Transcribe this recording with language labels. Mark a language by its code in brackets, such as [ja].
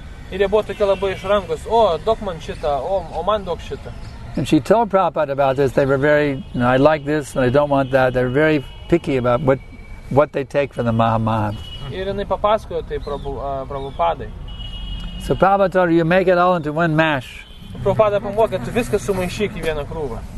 [lt] Ir jie buvo tokie labai išrankus. O, duok man šitą, o man duok šitą. [en] And she told Prabhupada about this. They were very, I like this and I don't want that. They were very picky about what they take from the maha-maha. [lt] Ir jinai papasakojo tai Prabhupadai. [en] So Prabhupada told her, you make it all into one mash. [lt] Prabhupada pamokė, tu viską sumaišyk į vieną krūvą.